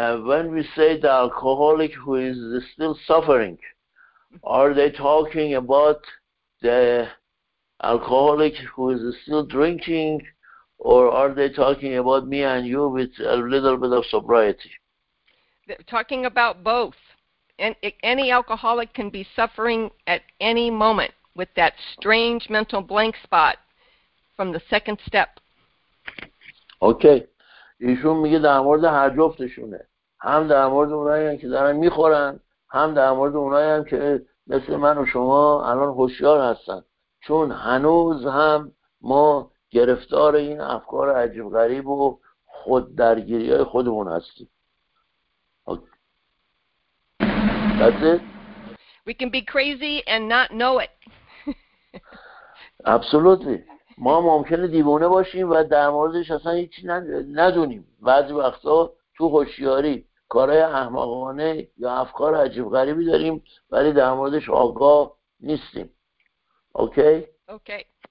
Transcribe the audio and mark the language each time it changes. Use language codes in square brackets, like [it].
[en] When we say the alcoholic who is still suffering, are they talking about the alcoholic who is still drinking, or are they talking about me and you with a little bit of sobriety? They're talking about both. And any alcoholic can be suffering at any moment with that strange mental blank spot from the second step. Okay. [fa] ایشون میگه در مورد هر جفتشونه، هم در مورد اونایی هم که دارن میخورن، هم در مورد اونایی هم که مثل من و شما الان هوشیار هستن، چون هنوز هم ما گرفتار این افکار عجیب غریب و خود درگیری های خودمون هستیم. [en] That's it. We can be crazy and not know it. Absolutely. [fa] ما ممکنه دیوانه باشیم و در موردش اصلا هیچی ندونیم. بعضی وقتا تو هوشیاری کارهای احمقانه یا افکار عجیب غریبی داریم ولی در موردش آگاه نیستیم. [en] Okay? Okay.